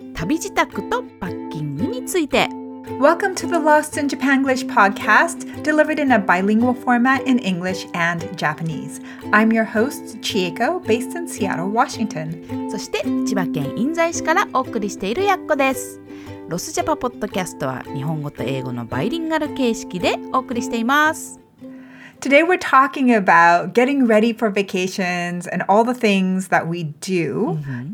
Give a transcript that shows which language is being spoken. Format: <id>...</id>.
<ja>旅支度とパッキングについて。</ja> <en>Welcome to the Lost in Japanglish podcast, delivered in a bilingual format in English and Japanese. I'm your host, Chieko, based in Seattle, Washington.</en> <ja>そして千葉県印西市からお送りしているやっこです。ロスジャパポッドキャストは日本語と英語のバイリンガル形式でお送りしています。</ja> <en>Today we're talking about getting ready for vacations and all the things that we do、mm-hmm.</en>